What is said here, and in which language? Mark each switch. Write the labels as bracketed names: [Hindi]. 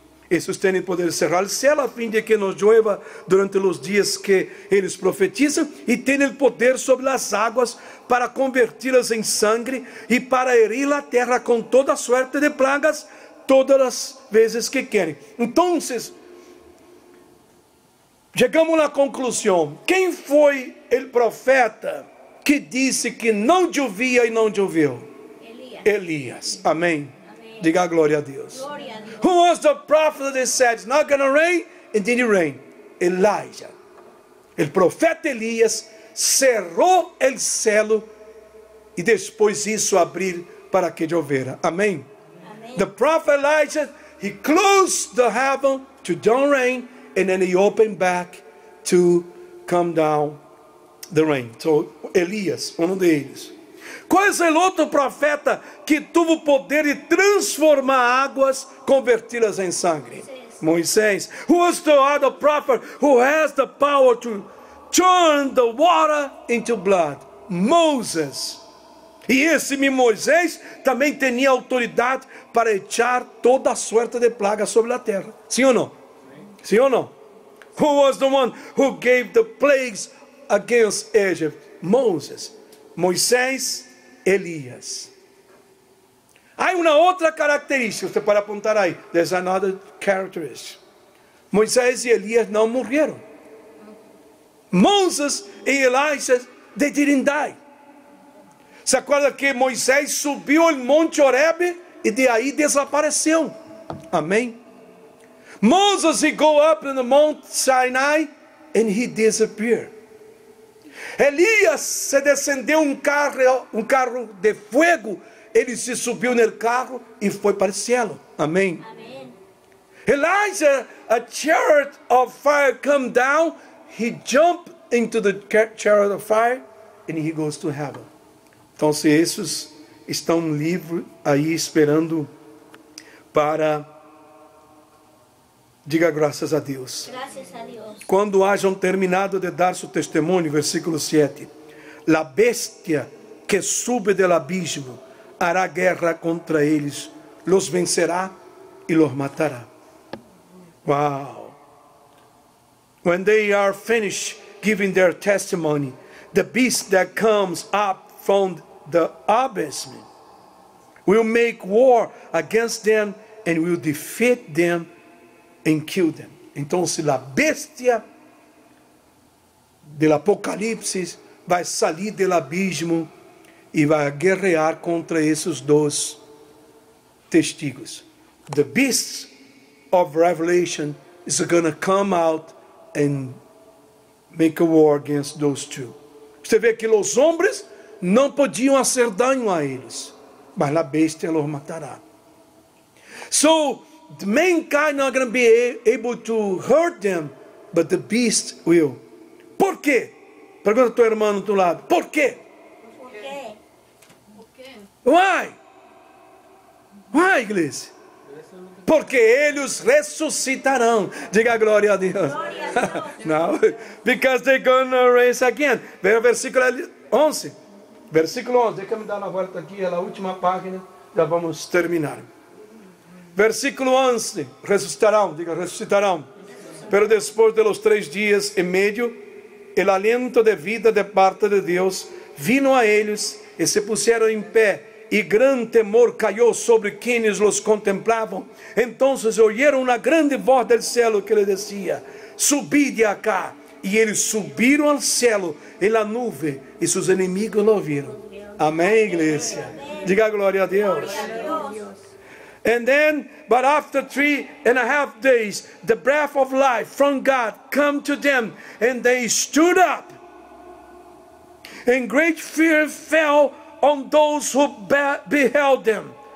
[Portuguese] Esses têm poder de cerrar o céu a fim de que não chova durante os dias que eles profetizam, e têm poder sobre as águas para converti-las em sangue e para herir a terra com toda a sorte de plagas todas as vezes que querem. Então, chegamos à conclusão: quem foi o profeta que disse que não chovia e não choveu? Elias. Amém. Diga glória a Deus. Glória a Deus. [English] Who was the prophet that said it's not going to rain and didn't rain? Elijah. [Portuguese] O profeta Elias cerrou o céu e depois isso abrir para que chovera. Amém? Amém. [English] The prophet Elijah, he closed the heaven to don't rain and then he opened back to come down the rain. [Portuguese] So Elias, um deles. Qual é o outro profeta que teve o poder de transformar águas, converti-las em sangue? Moisés. Moisés. [English] Who is the other prophet who has the power to turn the water into blood? Moses. [Portuguese] E esse mesmo Moisés também tinha autoridade para echar toda a sorte de plaga sobre a terra. Sim ou não? Sim. Sim ou não? [English] Who was the one who gave the plagues against Egypt? Moses. Moisés. Elias. [Portuguese] Há uma outra característica, você pode apontar aí. [English] There's another characteristic. [Portuguese] Moisés e Elias não morreram. Moses e Elias, [English] they didn't die. [Portuguese] Se acorda que Moisés subiu ao Monte Horeb e de aí desapareceu. Amém? [English] Moses, he go up in the Mount Sinai and he disappeared. [Portuguese] Elias se descendeu um carro de fogo, ele se subiu no carro e foi para o céu. Amém. Amém. [English] Elijah, a chariot of fire come down, he jump into the chariot of fire and he goes to heaven. [Portuguese] Então se esses estão livres aí esperando para diga graças a Deus. Graças a Deus. Quando hajam terminado de dar seu testemunho, versículo 7. [Spanish] La bestia que sube del abismo hará guerra contra eles, los vencerá e los matará. [English] Wow. When they are finished giving their testimony, the beast that comes up from the abyss will make war against them and will defeat them. And kill them. [Portuguese] Então se a bestia do Apocalipse vai sair do abismo e vai guerrear contra esses dois testigos. [English] The beast of Revelation is going to come out and make a war against those two. [Portuguese] Você vê que os homens não podiam fazer dano a eles, mas a bestia os matará. [English] So the mankind not going to be able to hurt them, but the beast will. [Portuguese] Por quê? Pergunta teu irmão do outro lado. Por quê? Por quê? [English] Why? Why, [Portuguese] igreja? Porque eles ressuscitarão. Diga glória a Deus. Glória a Deus. Não. [English] Because they're going to raise again. [Portuguese] Vem o versículo 11. Versículo 11. Deixa eu me dar uma volta aqui. É a última página. Já vamos terminar. Versículo 11, ressuscitarão, diga, ressuscitarão. Pero depois de los três dias e meio, [Spanish] el aliento de vida [Portuguese] de parte de Deus vino a eles e se puseram em pé e grande temor caiu sobre quienes os contemplavam. Então ouviram uma grande voz do céu que lhe dizia: subi de acá. E eles subiram ao céu e na nuvem, e seus inimigos o viram. Amém, igreja? Diga glória a Deus. [English] And then, but after 3.5 days, the breath of life from God come to them, and they stood up. And great fear fell on those who beheld them.